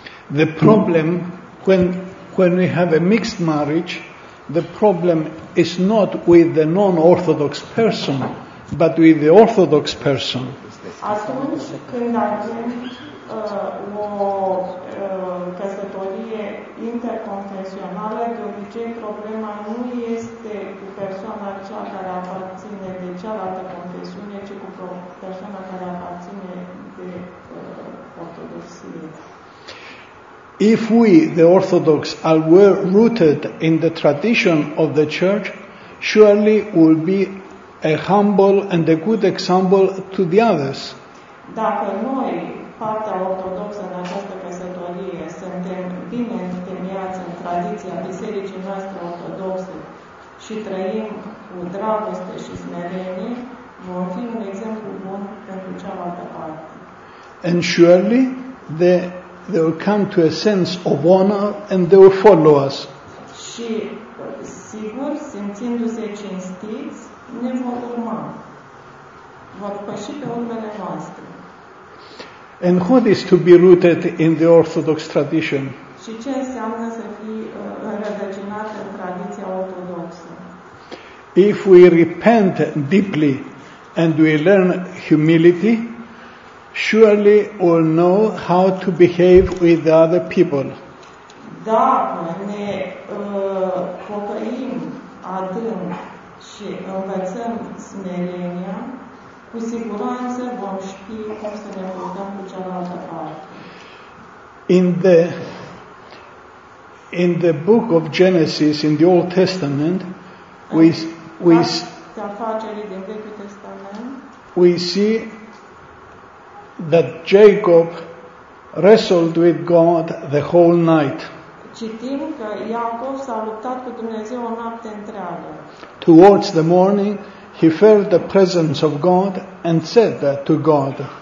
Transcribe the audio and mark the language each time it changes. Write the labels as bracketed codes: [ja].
[en] The problem, when we have a mixed marriage, the problem is not with the non-Orthodox person, but with the Orthodox person. [ro] Atunci când avem o căsătorie interconfesională, de obicei problema nu este cu persoana cea care aparține de cealaltă confesiune, ci cu persoana care aparține de Ortodoxie. [en] If we, the Orthodox, are well rooted in the tradition of the Church, surely we'll be a humble and a good example to the others. [ro] Dacă noi, partea ortodoxă în această căsătorie, suntem bine întemeiați în tradiția bisericii noastre ortodoxe și trăim cu dragoste și smerenie, vom fi un exemplu bun pentru cealaltă parte. [en] And surely they will come to a sense of honor and they will follow us. [ro] Și sigur, simțindu-se cinstiți, ne vor urma. Vor păși pe urmele noastre. [en] And what is to be rooted in the Orthodox tradition? [ro] Și ce înseamnă să fii înrădăcinat în tradiția ortodoxă? [en] If we repent deeply and we learn humility, surely we'll know how to behave with the other people. [ro] Dacă ne pocăim adânc și învățăm smerenia, cu siguranță vom ști cum să ne purtăm cu cealaltă parte. [en] In the book of Genesis, in the Old Testament, we see that Jacob wrestled with God the whole night. [ro] Citim că Iacov s-a luptat cu Dumnezeu o noapte întreagă. [en] Towards the morning, he felt the presence of God and said that to God.